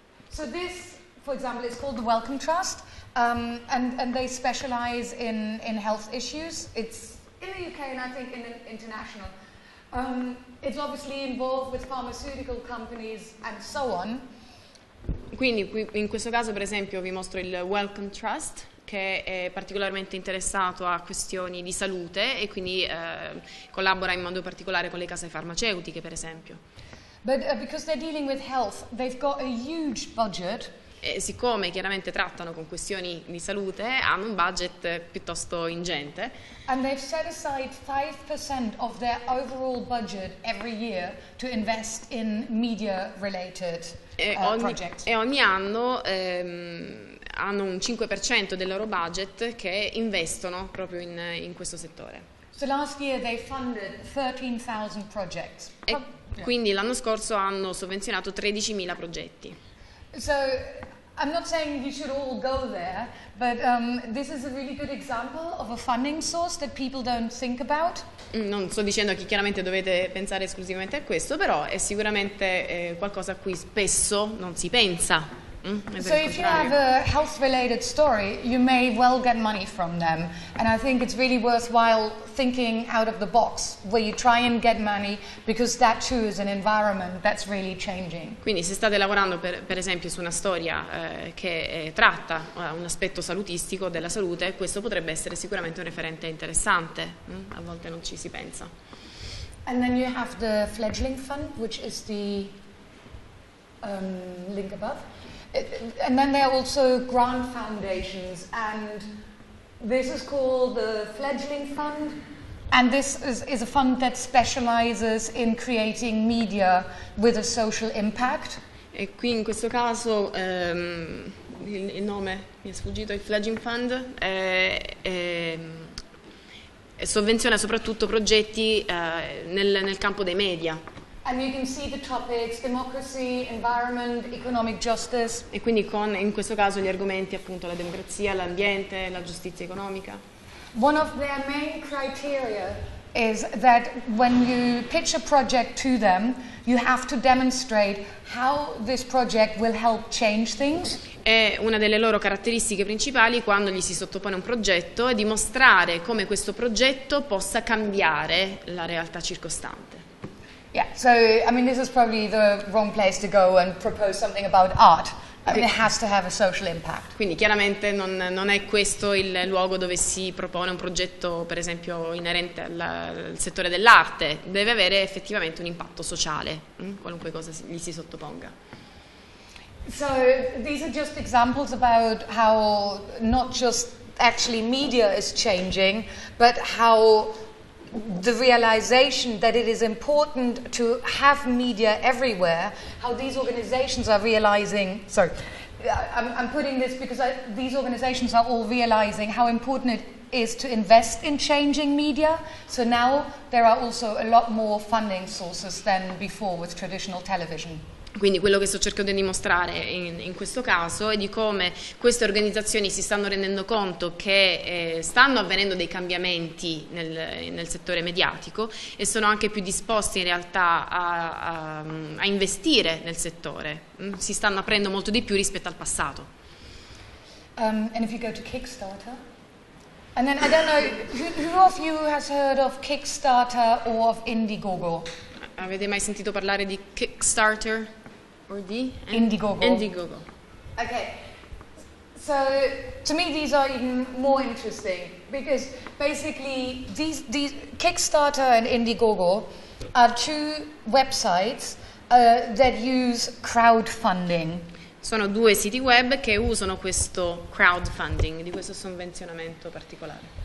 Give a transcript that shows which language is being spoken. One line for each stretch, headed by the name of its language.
English: So this, for example, is called the Wellcome Trust, and they specialize in health issues. It's in the UK and I think in international. It's obviously involved with pharmaceutical companies and so on.
Italian: Quindi in questo caso, per esempio, vi mostro il Wellcome Trust, che è particolarmente interessato a questioni di salute e quindi collabora in modo particolare con le case farmaceutiche, per esempio.
English: But because they're dealing with health, they've got a huge budget.
Italian: siccome chiaramente trattano con questioni di salute, hanno un budget piuttosto ingente.
English: And they've set aside 5% of their overall budget every year to invest in media related projects.
Italian: E ogni anno hanno un 5% del loro budget che investono proprio in questo settore.
English: So last year they funded 13,000 projects.
Italian: Quindi l'anno scorso hanno sovvenzionato 13,000 progetti.
English: So I'm not saying you should all go there, but this is a really good example of a funding source that people don't think about.
Italian: Non sto dicendo che chiaramente dovete pensare esclusivamente a questo, però è sicuramente qualcosa a cui spesso non si pensa.
English: So if you have a health-related story, you may well get money from them, and I think it's really worthwhile thinking out of the box where you try and get money, because that too is an environment that's really changing.
Italian: Quindi se state lavorando per esempio su una storia che tratta un aspetto salutistico della salute, questo potrebbe essere sicuramente un referente interessante. A volte non ci si pensa.
English: And then you have the fledgling fund, which is the link above. And then there are also grant foundations, and this is called the fledgling fund, and this is a fund that specializes in creating media with a social impact.
Italian: E qui in questo caso il nome mi è sfuggito, il fledgling fund sovvenziona soprattutto progetti nel campo dei media.
English: And you can see the topics: democracy, environment, economic justice.
Italian: E quindi in questo caso gli argomenti, appunto, la democrazia, l'ambiente, la giustizia economica.
English: One of their main criteria is that when you pitch a project to them, you have to demonstrate how this project will help change things.
Italian: È una delle loro caratteristiche principali quando gli si sottopone un progetto, è dimostrare come questo progetto possa cambiare la realtà circostante.
English: Yeah, so I mean, this is probably the wrong place to go and propose something about art. I mean, it has to have a social impact.
Italian: Quindi chiaramente non è questo il luogo dove si propone un progetto, per esempio, inerente al settore dell'arte. Deve avere effettivamente un impatto sociale, qualunque cosa gli si sottoponga.
English: So these are just examples about how not just actually media is changing, but how the realization that it is important to have media everywhere, how these organizations are realizing, I'm putting this because these organizations are all realizing how important it is to invest in changing media. So now there are also a lot more funding sources than before with traditional television.
Italian: Quindi quello che sto cercando di dimostrare in questo caso è di come queste organizzazioni si stanno rendendo conto che stanno avvenendo dei cambiamenti nel settore mediatico e sono anche più disposti in realtà a investire nel settore. Si stanno aprendo molto di più rispetto al passato.
English: And if you go to Kickstarter, and then I don't know, who of you has heard of Kickstarter or of Indiegogo?
Italian: Avete mai sentito parlare di Kickstarter?
English: Or the Indiegogo. Okay, so to me these are even more interesting, because basically these Kickstarter and Indiegogo are two websites that use crowdfunding.
Italian: Sono due siti web che usano questo crowdfunding, di questo sovvenzionamento particolare.